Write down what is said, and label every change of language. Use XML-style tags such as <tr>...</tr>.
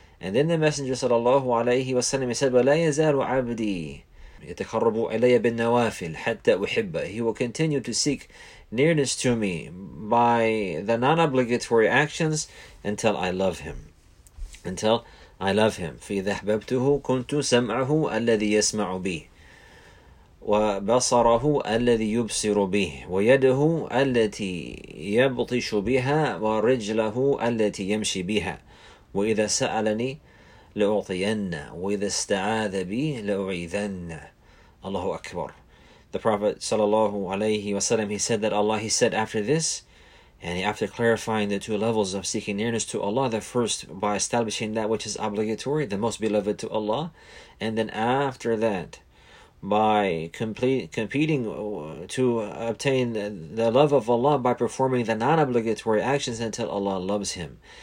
<en>And then the Messenger sallallahu alayhi wa sallam, he said,</en> <ar>وَلَا يَزَالُ عَبْدِي يَتَقَرَّبُ إِلَيَّ بِالنَّوَافِلِ حَتَّى أُحِبَّهُ,</ar> <en>he will continue to seek nearness to me by the non-obligatory actions until I love him. Until I love him.</en> <ar>فإذا أحببته كنت سمعه الذي يسمع به وبصره الذي يبصر به ويده التي يبطش بها ورجله التي يمشي بها وإذا سألني لأعطينا وإذا استعاذ بي لأعيذن. الله أكبر.</ar> <en>The Prophet sallallahu alayhi wasallam, he said that Allah, he said after this, and after clarifying the two levels of seeking nearness to Allah, the first by establishing that which is obligatory, the most beloved to Allah, and then after that, by competing to obtain the love of Allah by performing the non-obligatory actions until Allah loves him.</en>